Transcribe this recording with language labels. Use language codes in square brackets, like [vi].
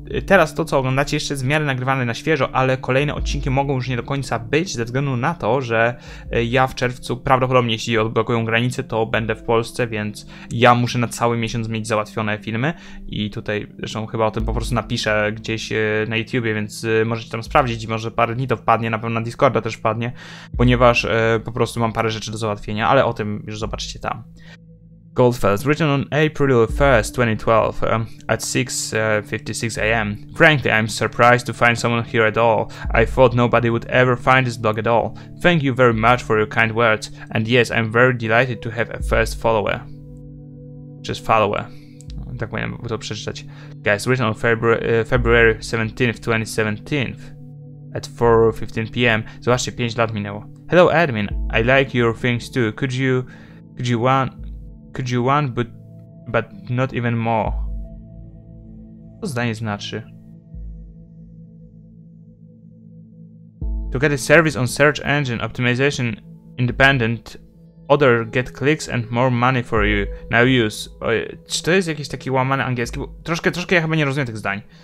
[pl] Teraz to, co oglądacie, jeszcze jest w miarę nagrywane na świeżo, ale kolejne odcinki mogą już nie do końca być, ze względu na to, że ja w czerwcu, prawdopodobnie jeśli odblokują granice, to będę w Polsce, więc ja muszę na cały miesiąc mieć załatwione filmy i tutaj zresztą chyba o tym po prostu napiszę gdzieś na YouTubie, więc możecie tam sprawdzić, może parę dni to wpadnie, na pewno na Discorda też wpadnie, ponieważ po prostu mam parę rzeczy do załatwienia, ale o tym już zobaczycie tam. [en] Goldfells, written on April 1st, 2012, at 6:56 a.m. Frankly, I'm surprised to find someone here at all. I thought nobody would ever find this blog at all. Thank you very much for your kind words. And yes, I'm very delighted to have a first follower. Just follower. [pl] Tak powinienem to przeczytać. [en] Guys, written on February 17th, 2017, at 4:15 p.m. [pl] Zobaczcie, 5 lat minęło. [en] Hello, admin. I like your things too. Could you want, but not even more. [pl] Co zdanie znaczy? [en] To get a service on search engine optimization independent, other get clicks and more money for you. Now use. [pl] Czy to jest jakiś taki łamany angielski? Bo troszkę ja chyba nie rozumiem tych zdań.